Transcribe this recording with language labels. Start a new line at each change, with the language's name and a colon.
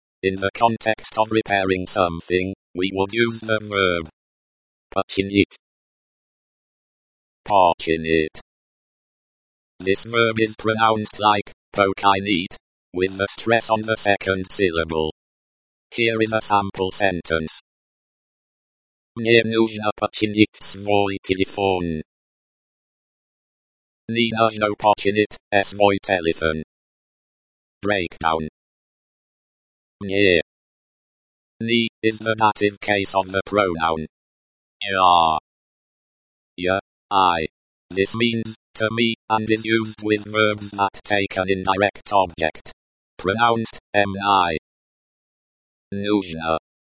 English: In the context of repairing something, we would use the verb.
Russian: починить.
English: This verb is pronounced like, починить, with the stress on the second syllable. Here is a sample sentence.
Russian: Мне нужно починить свой телефон. Не нужно починить свой телефон.
English: Breakdown. Мне. Не is the dative case of the pronoun.
Russian: Я.
English: This means, to me, and is used with verbs that take an indirect object.
Russian: Pronounced, мне. Нужно.